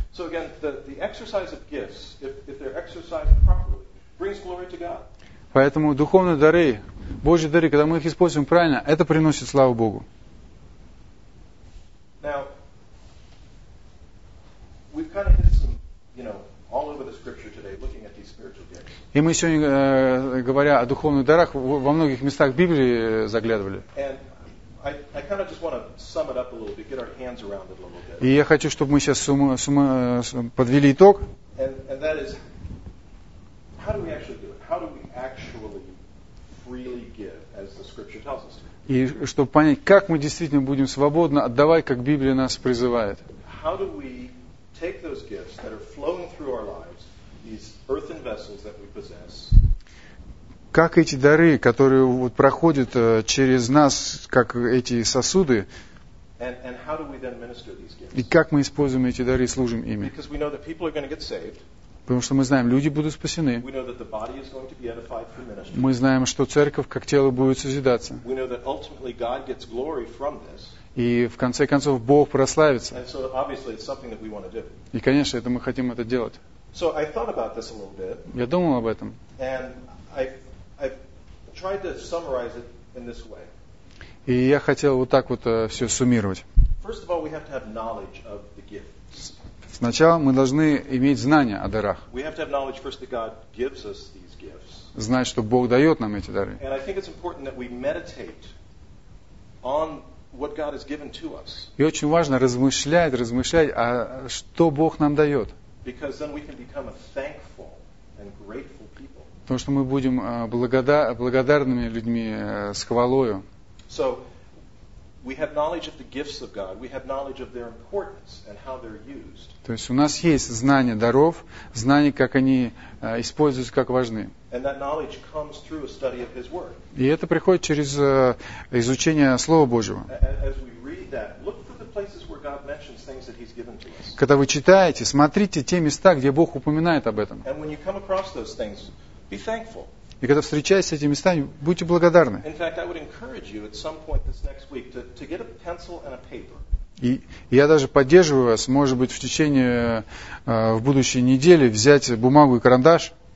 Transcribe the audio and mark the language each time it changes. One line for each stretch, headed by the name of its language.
English: So again, the exercise of gifts, if they're exercised properly, brings glory to God.
Russian: Поэтому духовные дары, Божьи дары, когда мы их используем правильно, это приносит славу Богу.
English: Now, we've kind of hit some, you know, all over the scripture today, looking at these spiritual gifts.
Russian: И мы сегодня, говоря о духовных дарах, во многих местах Библии заглядывали.
English: And I kind of just want to sum it up a little bit, get our hands around it a little bit.
Russian: И я хочу, чтобы мы сейчас подвели итог.
English: And that is, how do we actually do it? How do we actually freely give, as the scripture tells us?
Russian: И чтобы понять, как мы действительно будем свободно отдавать, как Библия нас призывает.
English: How do we take those gifts that are flowing through our lives, these earthen vessels that we possess.
Russian: Как эти дары, которые вот проходят через нас, как эти сосуды,
English: and how do we then minister these gifts?
Russian: И как мы используем эти дары и служим ими?
English: Because we know that people are going to get saved.
Russian: Потому что мы знаем, люди будут спасены.
English: We know that the body is going to be edified through ministry.
Russian: Мы знаем, что церковь как тело будет созидаться.
English: We know that ultimately God gets glory from this.
Russian: И в конце концов Бог прославится.
English: So,
Russian: и, конечно, это мы хотим это делать.
English: So, I thought about this a little bit,
Russian: я думал об этом.
English: And I've tried to summarize it in this way.
Russian: И я хотел вот так вот все суммировать.
English: First of all, we have to have knowledge of the gifts.
Russian: Сначала мы должны иметь знания о дарах.
English: We have to have knowledge first that God gives us these gifts.
Russian: Знать, что Бог дает нам эти дары.
English: And I think it's important that we meditate on what God has given to us.
Russian: И очень важно размышлять, а что Бог нам дает.
English: Because then we can become a thankful and grateful people.
Russian: Потому что мы будем благодарными людьми с хвалою.
English: So, we have knowledge of the gifts of God. We have knowledge of their importance and how they're used.
Russian: То есть у нас есть знание даров, знание, как они используются, как важны.
English: And that knowledge comes through a study of His Word.
Russian: И это приходит через изучение Слова Божьего.
English: As we read that, look for the places where God mentions things that He's given to us.
Russian: Когда вы читаете, смотрите те места, где Бог упоминает об этом.
English: And when you come across those things, be thankful.
Russian: И когда встречаетесь с этими местами, будьте благодарны.
English: Fact, to
Russian: и я даже поддерживаю вас, может быть, в течение в будущей недели взять бумагу и карандаш.